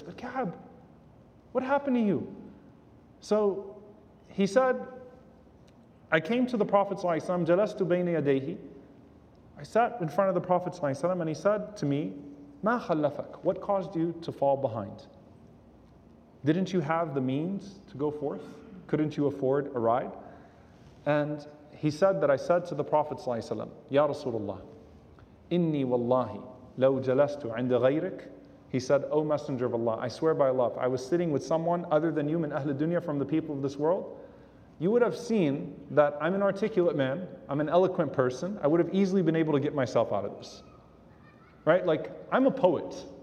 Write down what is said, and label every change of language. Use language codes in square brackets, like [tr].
[en] But Ka'ab, what happened to you? So he said, I came to the Prophet ﷺ, [ar] جَلَسْتُ بَيْنِ يَدَيْهِ, [en] I sat in front of the Prophet ﷺ and he said to me, [ar] مَا خَلَّفَكَ? [en] What caused you to fall behind? Didn't you have the means to go forth? Couldn't you afford a ride? And he said that I said to the Prophet ﷺ, [ar] يَا رَسُولَ اللَّهِ إِنِّي وَاللَّهِ لَوْ جَلَسْتُ عِنْدَ غَيْرِكَ. [en] He said, O Messenger of Allah, I swear by Allah, if I was sitting with someone other than you, [ar] من أهل الدنيا, [en] from the people of this world, you would have seen that I'm an articulate man, I'm an eloquent person, I would have easily been able to get myself out of this. Right? Like, I'm a poet.